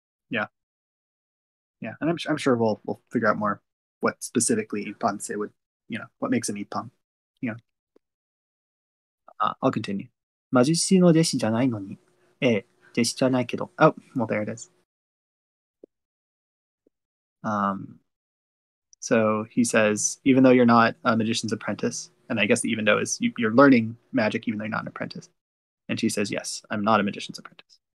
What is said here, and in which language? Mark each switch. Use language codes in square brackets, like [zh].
[en] Yeah, Yeah, and I'm sure we'll figure out more what specifically Ippanse would, you know, what makes an Ippan. Yeah. I'll continue. [ja] 魔術師の弟子じゃないのに。ええ、弟子じゃないけど。 [en] Oh, well, there it is. So he says, even though you're not a magician's apprentice, and I guess the even though is you're learning magic even though you're not an apprentice. And she says, yes, I'm not a magician's apprentice.